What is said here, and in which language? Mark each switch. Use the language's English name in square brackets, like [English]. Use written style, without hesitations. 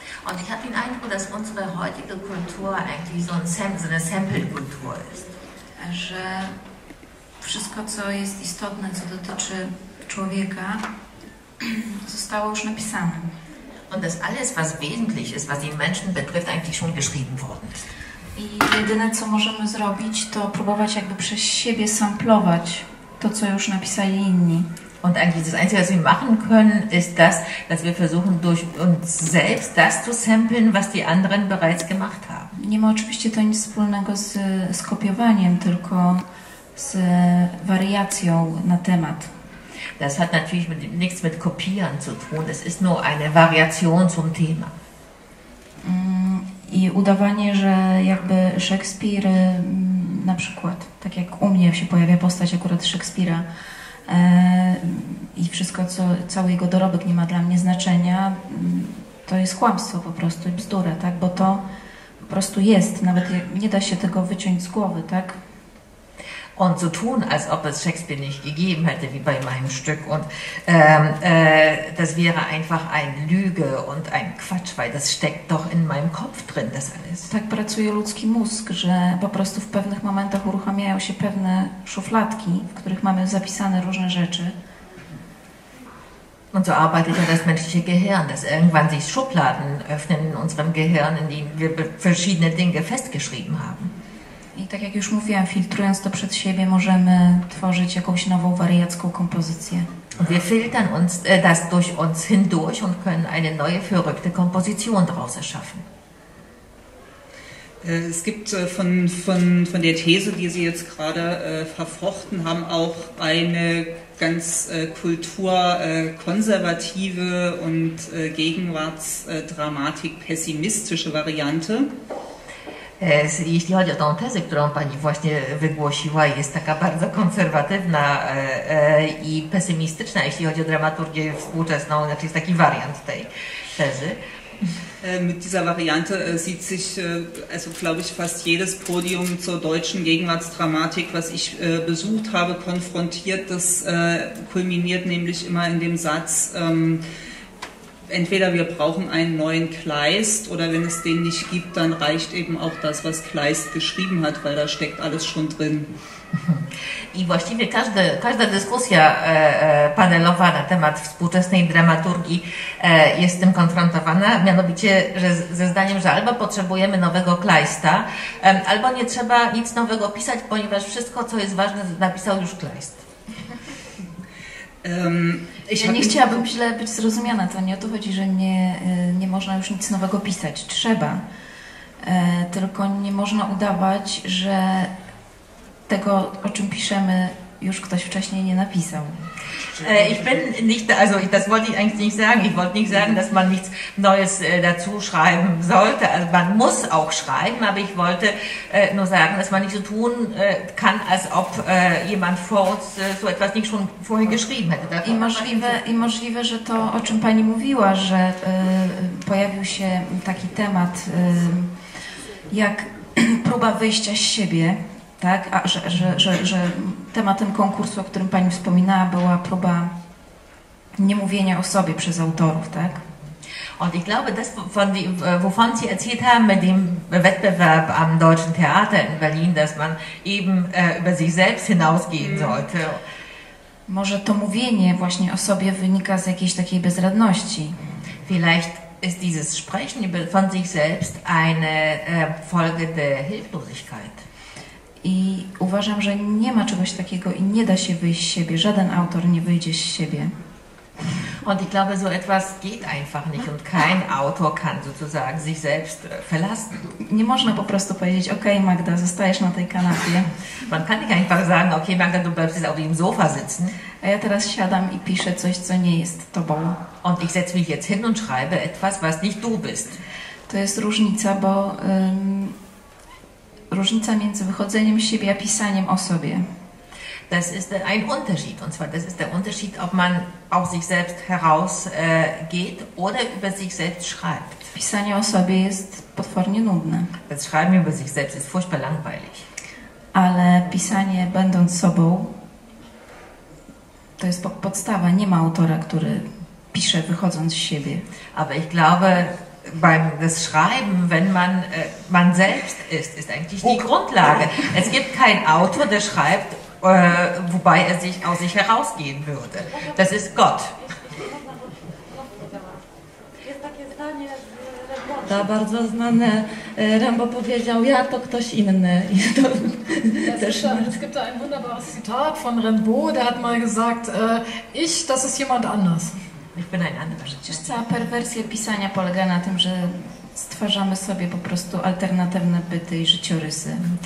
[German] Und ich habe den Eindruck, dass unsere heutige Kultur eigentlich so ein Sample, so eine Sample-Kultur ist. [Polish] Że wszystko, co jest istotne, co dotyczy człowieka, zostało już napisane. [German] Und dass alles, was wesentlich ist, was den Menschen betrifft, eigentlich schon geschrieben worden ist. [Polish] I jedyne, co możemy zrobić, to próbować jakby przez siebie samplować to, co już napisali inni. [German] Und eigentlich das Einzige, was wir machen können, ist das, dass wir versuchen, durch uns selbst das zu samplen, was die anderen bereits gemacht haben. [Polish] Nie ma oczywiście to nic wspólnego z kopiowaniem, tylko z wariacją na temat. [German] Das hat natürlich nichts mit kopieren zu tun, es ist nur eine Variation zum Thema. [Polish] I udawanie, że jakby Szekspir, na przykład, tak jak u mnie się pojawia postać akurat Szekspira i wszystko, co cały jego dorobek nie ma dla mnie znaczenia, to jest kłamstwo po prostu i bzdura, tak? Bo to po prostu jest, nawet nie da się tego wyciąć z głowy, tak? [German] Und zu tun, als ob es Shakespeare nicht gegeben hätte, wie bei meinem Stück. Und das wäre einfach eine Lüge und ein Quatsch, weil das steckt doch in meinem Kopf drin, das alles. [Polish] Tak pracuje ludzki mózg, że po prostu w pewnych momentach uruchamiają się pewne szufladki, w których mamy zapisane różne rzeczy. [German] Und so arbeitet ja das menschliche Gehirn, dass irgendwann sich Schubladen öffnen in unserem Gehirn, in denen wir verschiedene Dinge festgeschrieben haben. [Polish] I tak jak już mówiłem, filtrując to przed siebie, możemy tworzyć jakąś nową wariacką kompozycję. [German] Wir filtern uns das durch uns hindurch und können eine neue verrückte Komposition daraus erschaffen. Es gibt von der These, die Sie jetzt gerade verfochten haben, auch eine ganz kulturkonservative und gegenwartsdramatik pessimistische Variante. [Polish] Jeśli chodzi o tę tezę, którą pani właśnie wygłosiła, jest taka bardzo konserwatywna i pesymistyczna, jeśli chodzi o dramaturgię współczesną, znaczy jest taki wariant tej tezy. [German] Mit dieser Variante sieht sich, also glaube ich, fast jedes Podium zur deutschen Gegenwartsdramatik, was ich besucht habe, konfrontiert. Das kulminiert nämlich immer in dem Satz, entweder wir brauchen einen neuen Kleist oder wenn es den nicht gibt, dann reicht eben auch das, was Kleist geschrieben hat, weil da steckt alles schon drin. [Polish] I właściwie każda dyskusja panelowa na temat współczesnej dramaturgii jest z tym konfrontowana, mianowicie że ze zdaniem, że albo potrzebujemy nowego Kleista, albo nie trzeba nic nowego pisać, ponieważ wszystko, co jest ważne, napisał już Kleist. Ja nie chciałabym źle być zrozumiana, to nie o to chodzi, że nie można już nic nowego pisać. Trzeba, tylko nie można udawać, że tego, o czym piszemy, już ktoś wcześniej nie napisał. [German] Ich bin nicht, also das wollte ich eigentlich nicht sagen. Ich wollte nicht sagen, dass man nichts Neues dazu schreiben sollte. Also man muss auch schreiben, aber ich wollte nur sagen, dass man nicht so tun kann, als ob jemand vor uns so etwas nicht schon vorher geschrieben hätte. [Polish] I możliwe, że to, o czym pani mówiła, że pojawił się taki temat, jak próba wyjścia z siebie, tak? A że tematem konkursu, o którym pani wspominała, była próba niemówienia o sobie przez autorów, tak? [German] Und ich glaube, das, wovon Sie erzählt haben, mit dem Wettbewerb am Deutschen Theater in Berlin, dass man eben über sich selbst hinausgehen sollte. [Polish] Może to mówienie właśnie o sobie wynika z jakiejś takiej bezradności. [German] Vielleicht ist dieses Sprechen von sich selbst eine Folge der Hilflosigkeit. [Polish] I uważam, że nie ma czegoś takiego i nie da się wyjść z siebie. Żaden autor nie wyjdzie z siebie. [German] Und ich glaube, so etwas geht einfach nicht und kein Autor kann sozusagen sich selbst verlassen. [Polish] Nie można po prostu powiedzieć, okej, Magda, zostajesz na tej kanapie. [German] Man kann nicht einfach sagen, okej, Magda, du bleibst auf dem Sofa sitzen. [Polish] A ja teraz siadam i piszę coś, co nie jest tobą. [German] Und ich setze mich jetzt hin und schreibe etwas, was nicht du bist. [Polish] To jest różnica, bo różnica między wychodzeniem z siebie a pisaniem o sobie. [German] Das ist ein Unterschied, und zwar das ist der Unterschied, ob man auf sich selbst herausgeht oder über sich selbst schreibt. [Polish] Pisanie o sobie jest potwornie nudne. [German] Das Schreiben über sich selbst ist furchtbar langweilig. [Polish] Ale pisanie będąc sobą to jest podstawa, nie ma autora, który pisze wychodząc z siebie. [German] Aber ich glaube, beim das Schreiben, wenn man man selbst ist, ist eigentlich die Grundlage. Es gibt keinen Autor, der schreibt, wobei er sich aus sich herausgehen würde. Das ist Gott. [Polish] Da bardzo znane Rambo powiedział, ja to ktoś inny. [German] Es gibt ein wunderbares Zitat von Rambo, der hat mal gesagt, ich, das ist jemand anders. [Polish] Przecież cała perwersja pisania polega na tym, że stwarzamy sobie po prostu alternatywne byty i życiorysy.